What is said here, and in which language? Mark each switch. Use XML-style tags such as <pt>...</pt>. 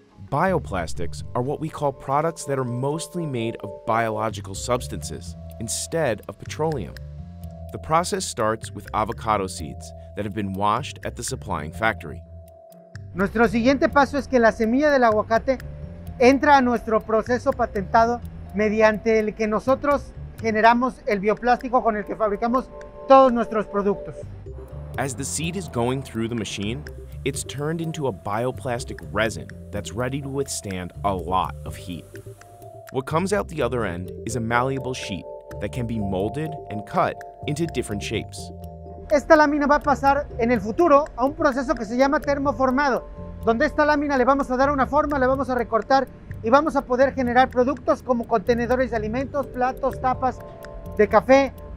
<en>Bioplastics are what we call products that are mostly made of biological substances instead of petroleum. The process starts with avocado seeds that have been washed at the supplying factory.</en> <es>Nuestro siguiente paso es que la semilla del aguacate entra a nuestro proceso patentado mediante el que nosotros generamos el bioplástico con el que fabricamos todos nuestros productos.</es> <en>As the seed is going through the machine, it's turned into a bioplastic resin that's ready to withstand a lot of heat. What comes out the other end is a malleable sheet that can be molded and cut into different shapes.</en> <es>Esta lámina va a pasar en el futuro a un proceso que se llama termoformado, donde esta lámina le vamos a dar una forma, le vamos a recortar y vamos a poder generar productos como contenedores de alimentos, platos, tapas de café.</es>